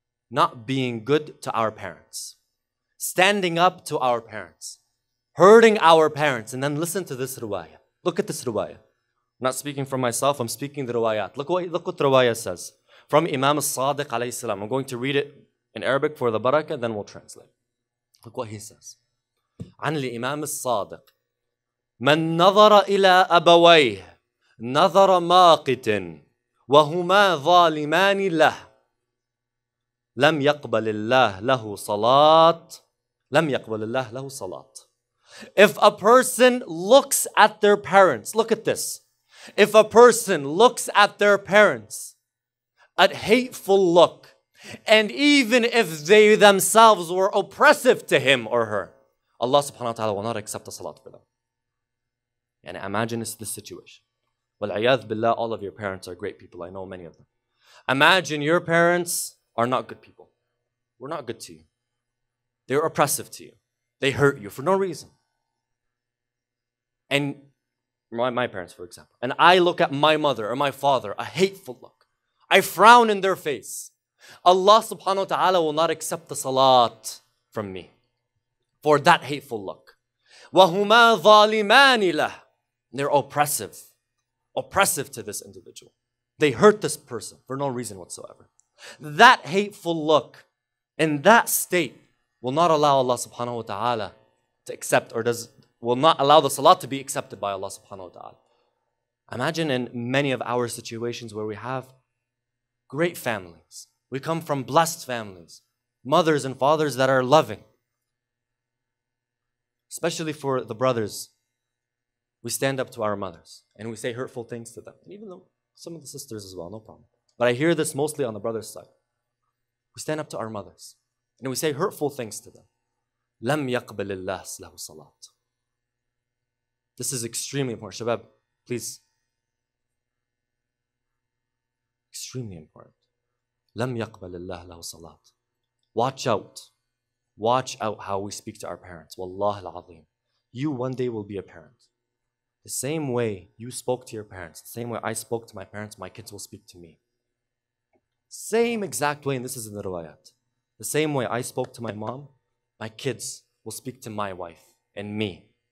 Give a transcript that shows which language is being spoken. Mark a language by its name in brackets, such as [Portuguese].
[English] Not being good to our parents. Standing up to our parents. Hurting our parents. And then listen to this riwayat. Look at this riwayat. I'm not speaking for myself, I'm speaking the riwayat. Look what the riwayat says. From Imam al-Sadiq alayhi salam. I'm going to read it in Arabic for the barakah, then we'll translate. Look what he says. [Arabic] عن الإمام الصادق من نظر إلى أبويه نظر ماقت وهما ظالمان له لم يقبل الله له صلاة لم يقبل الله له صلاة. [English] If a person looks at their parents, look at this. If a person looks at their parents, a hateful look, and even if they themselves were oppressive to him or her, Allah subhanahu wa ta'ala will not accept a salat for them. And imagine this situation. Wal'ayyadh billah, all of your parents are great people. I know many of them. Imagine your parents are not good people. We're not good to you. They're oppressive to you. They hurt you for no reason. And my parents, for example, and I look at my mother or my father, a hateful look, I frown in their face, Allah subhanahu wa ta'ala will not accept the salat from me for that hateful look. [Arabic] وَهُمَا ظَالِمَانِ لَهُ [English] They're oppressive. Oppressive to this individual. They hurt this person for no reason whatsoever. That hateful look in that state will not allow Allah subhanahu wa ta'ala to accept, or will not allow the salat to be accepted by Allah subhanahu wa ta'ala. Imagine in many of our situations where we have great families. We come from blessed families, mothers and fathers that are loving. Especially for the brothers, we stand up to our mothers and we say hurtful things to them. And even though some of the sisters as well, no problem. But I hear this mostly on the brother's side. We stand up to our mothers and we say hurtful things to them. [Arabic] لَمْ يَقْبَلِ اللَّهِ لَهُ صَلَاتِ [English] This is extremely important. Shabab, please. Extremely important. [Arabic] لَمْ يَقْبَلِ اللَّهِ لَهُ صَلَاتِ [English] Watch out. Watch out how we speak to our parents. Wallahi al-azim. You one day will be a parent. The same way you spoke to your parents, the same way I spoke to my parents, my kids will speak to me. Same exact way, and this is in the riwayat. The same way I spoke to my mom, my kids will speak to my wife and me.